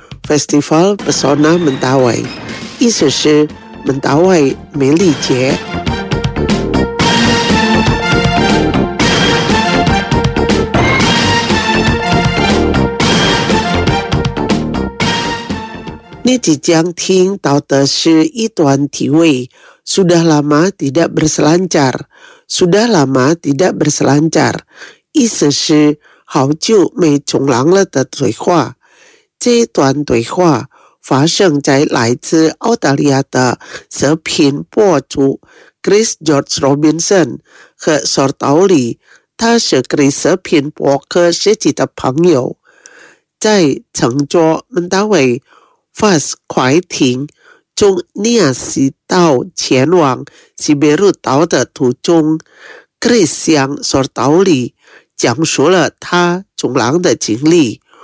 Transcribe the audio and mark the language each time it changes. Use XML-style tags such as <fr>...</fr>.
<zh>Festival Pesona Mentawai意思是门达外美丽节。你即将听到的是一段体味。</zh> <id>Sudah lama tidak berselancar. Sudah lama tidak berselancar.</id> <zh>意思是好久没冲浪了的对话。这段对话发生在来自澳大利亚的视频博主 Chris George Robinson 和 Sordali， 他是 Chris 视频博客设计的朋友，在乘坐门达维 Fast 快艇从尼亚西岛前往西贝鲁岛的途中， Chris 向 Sordali 讲述了他冲浪的经历。</zh>